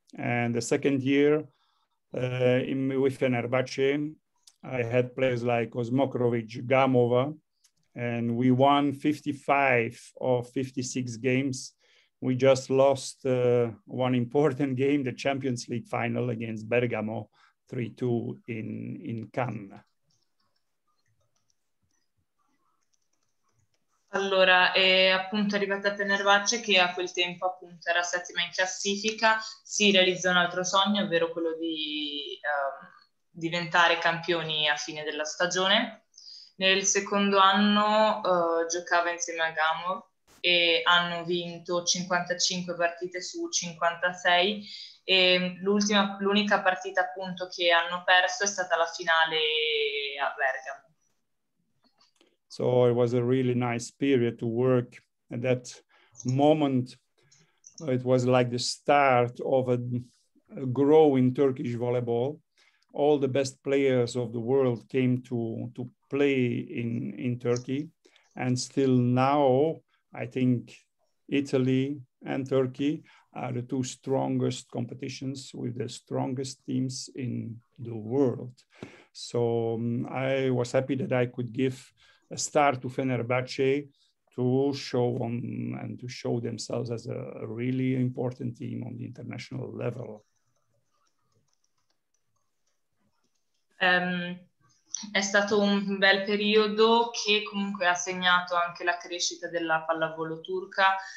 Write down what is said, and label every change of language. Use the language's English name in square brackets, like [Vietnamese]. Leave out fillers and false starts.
[English] And the second year with Fenerbahce, I had players like Osmokrovic, Gamova, and we won 55 of 56 games. We just lost one important game, the Champions League final against Bergamo, 3-2 in Cannes. [Italian] Allora, è appunto arrivata a Fenerbahce che a quel tempo appunto era settima in classifica, si realizza un altro sogno, ovvero quello di diventare campioni a fine della stagione. Nel secondo anno giocava insieme a Gamor e hanno vinto 55 partite su 56 e l'ultima, l'unica partita appunto che hanno perso è stata la finale a Bergamo. [English] So it was a really nice period to work at that moment. It was like the start of a growing Turkish volleyball. All the best players of the world came to play in Turkey. And still now, I think Italy and Turkey are the two strongest competitions with the strongest teams in the world. So I was happy that I could give a start to Fenerbahce to show on and to show themselves as a really important team on the international level. [Italian] È stato un bel periodo che comunque ha segnato anche la crescita della pallavolo turca.